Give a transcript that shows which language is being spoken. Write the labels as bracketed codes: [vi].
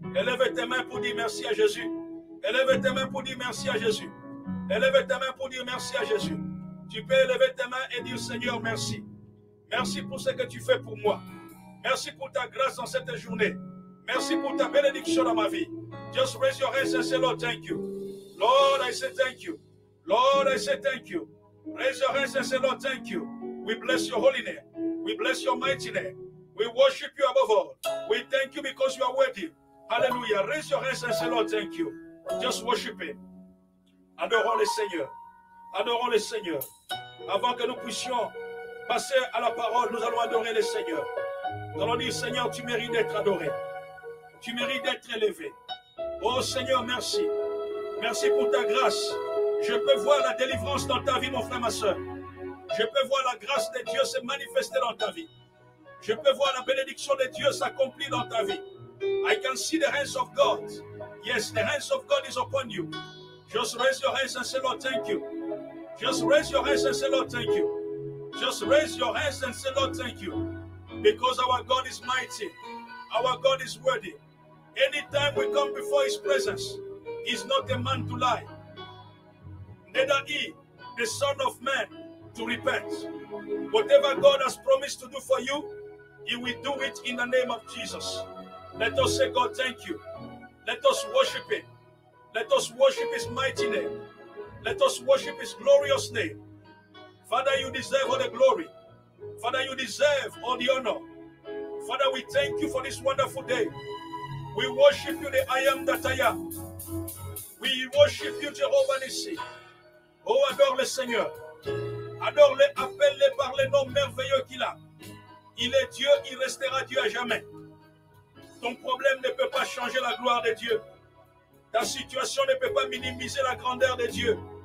[fr] Élève tes mains pour dire merci à Jésus. Élève tes mains pour dire merci à Jésus. Élève tes mains pour dire merci à Jésus. Tu peux lever tes mains et dire, Seigneur, merci. Merci pour ce que tu fais pour moi. Merci pour ta grâce dans cette journée. Merci pour ta bénédiction dans ma vie. [en] Just raise your hands and say, Lord, thank you. Lord, I say thank you. Lord, I say thank you. Raise your hands and say, Lord, thank you. We bless your holy name. We bless your mighty name. We worship you above all. We thank you because you are worthy. Hallelujah. Raise your hands and say, Lord, thank you. Just worship him. [fr] Adorons le Seigneur. Adorons le Seigneur. Avant que nous puissions passer à la parole, nous allons adorer le Seigneur. Nous allons dire, Seigneur, tu mérites d'être adoré. Tu mérites d'être élevé. Oh Seigneur, merci. Merci pour ta grâce. Je peux voir la délivrance dans ta vie, mon frère, ma soeur. Je peux voir la grâce de Dieu se manifester dans ta vie. Je peux voir la bénédiction de Dieu s'accomplir dans ta vie. [en] I can see the hands of God. Yes, the hands of God is upon you. Just raise your hands and say, Lord, thank you. Just raise your hands and say, Lord, thank you. Just raise your hands and say, Lord, thank you. Because our God is mighty. Our God is worthy. Anytime we come before his presence, he's not a man to lie. Neither he, the son of man, to repent. Whatever God has promised to do for you, he will do it in the name of Jesus. Let us say, God, thank you. Let us worship him. Let us worship his mighty name. Let us worship his glorious name. Father, you deserve all the glory. Father, you deserve all the honor. Father, we thank you for this wonderful day. We worship you, the I am that I am. We worship you, Jehovah Nissi. Oh, [fr] adore le Seigneur. Adore le, appelle le par le nom merveilleux qu'il a. Il est Dieu, il restera Dieu à jamais. Ton problème ne peut pas changer la gloire de Dieu. Ta situation ne peut pas minimiser la grandeur de Dieu.